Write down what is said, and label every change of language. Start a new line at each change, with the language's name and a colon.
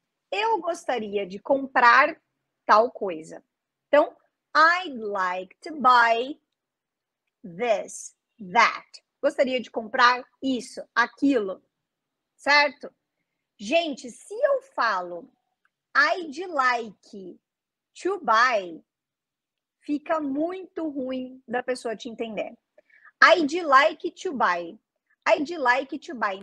Portuguese: Eu gostaria de comprar tal coisa.
English: Então, I'd like to buy this, that.
Portuguese: Gostaria de comprar isso, aquilo. Certo? Gente, se eu falo
English: I'd like to buy,
Portuguese: fica muito ruim da pessoa te entender.
English: I'd like to buy. I'd like to buy.